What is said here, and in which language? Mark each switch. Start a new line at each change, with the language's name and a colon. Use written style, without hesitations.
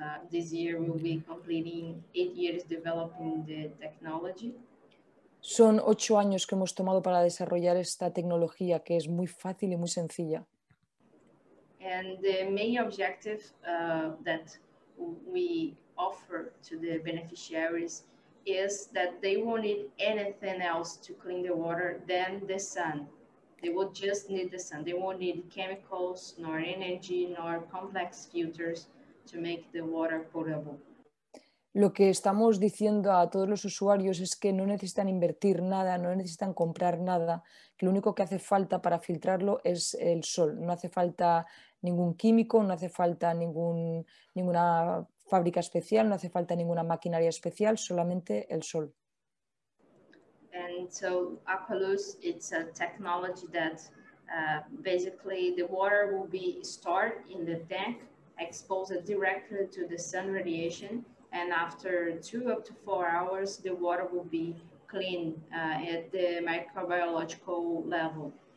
English: This year we'll be completing 8 years developing the technology.
Spanish: Son 8 años que hemos tomado para desarrollar esta tecnología, que es muy fácil y muy sencilla.
English: And the main objective that we offer to the beneficiaries is that they won't need anything else to clean the water than the sun. They will just need the sun. They won't need chemicals, nor energy, nor complex filters to make the water potable.
Spanish: Lo que estamos diciendo a todos los usuarios es que no necesitan invertir nada, no necesitan comprar nada, que lo único que hace falta para filtrarlo es el sol. No hace falta ningún químico, no hace falta ninguna fábrica especial, no hace falta ninguna maquinaria especial, solamente el sol.
English: And so Aqualus, it's a technology that basically the water will be stored in the tank, exposed directly to the sun radiation, and after 2 up to 4 hours, the water will be clean at the microbiological level.